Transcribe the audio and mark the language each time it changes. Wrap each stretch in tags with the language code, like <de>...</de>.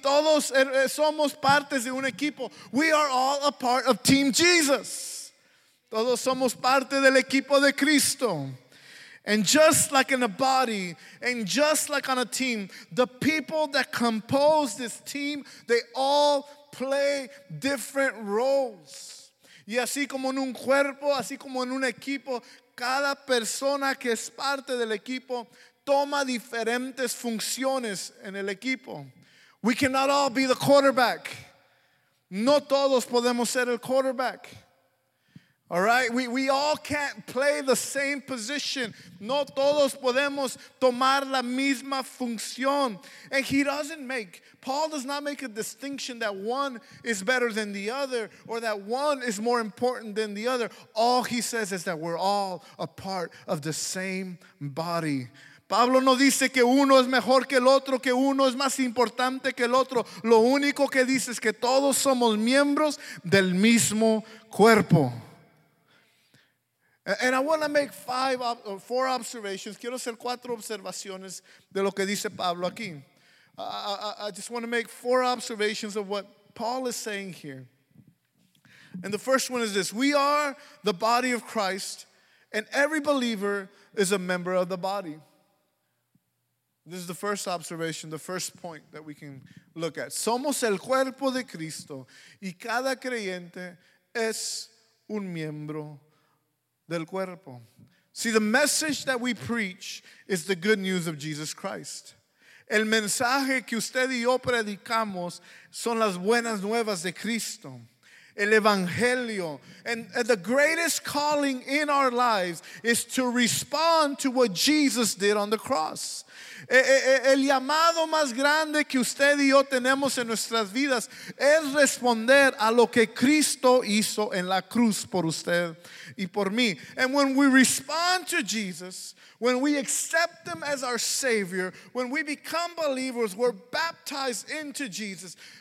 <es>Todos somos partes de un equipo.</es> <en>We are all a part of Team Jesus.</en> <es>Todos somos parte del equipo de Cristo.</es> <en>And just like in a body, and just like on a team, the people that compose this team, they all play different roles.</en> <es>Y así como en un cuerpo, así como en un equipo, cada persona que es parte del equipo toma diferentes funciones en el equipo.</es> <en>We cannot all be the quarterback.</en> <es>No todos podemos ser el quarterback.</es> <en>All right? We all can't play the same position.</en> <es>No todos podemos tomar la misma función.</es> <en>And Paul does not make a distinction that one is better than the other or that one is more important than the other. All he says is that we're all a part of the same body.</en> <es>Pablo no dice que uno es mejor que el otro, que uno es más importante que el otro. Lo único que dice es que todos somos miembros del mismo cuerpo.</es> <en>And I want to make four observations.</en> <es>Quiero hacer cuatro observaciones de lo que dice Pablo aquí.</es> <en>I just want to make four observations of what Paul is saying here. And the first one is this: we are the body of Christ, and every believer is a member of the body. This is the first observation, the first point that we can look at.</en> <es>Somos el cuerpo de Cristo, y cada creyente es un miembro del cuerpo.</es> <en>See, the message that we preach is the good news of Jesus Christ.</en> <es>El mensaje que usted y yo predicamos son las buenas nuevas de Cristo. El evangelio.</es> <en>And the greatest calling in our lives is to respond to what Jesus did on the cross.</en> <es>El llamado más grande que usted y yo tenemos en nuestras vidas es responder a lo que Cristo hizo en la cruz por usted y por mí.</es> <en>And when we respond to Jesus, when we accept him as our Savior, when we become believers, we're baptized into Jesus.</en>